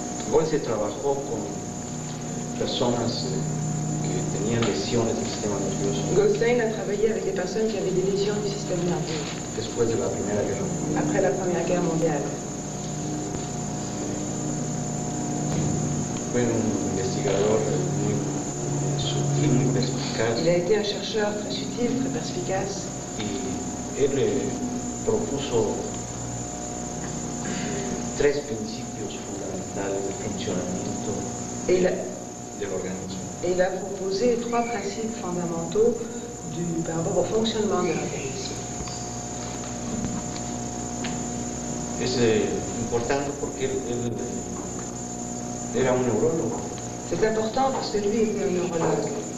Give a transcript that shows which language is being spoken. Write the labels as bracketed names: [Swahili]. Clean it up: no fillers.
[Spanish] Goldstein trabajó con personas que tenían lesiones del sistema nervioso. [French] Goldstein a travaillé avec des personnes qui avaient des lesions du système nerveux. [Spanish] Después de la Primera Guerra Mundial. [French] Après la Première Guerre mondiale. [Spanish] Fue un investigador muy sutil, muy perspicaz. [French] Il a été un chercheur très sutil, très perspicace. [Spanish] Y él propuso tres principios fundamentales de funcionamiento del organismo. [French] Et il a proposé trois principes fondamentaux par rapport au fonctionnement de l'organisme. C'est important parce qu'il era un neurologue. C'est important parce que lui était un neurologue.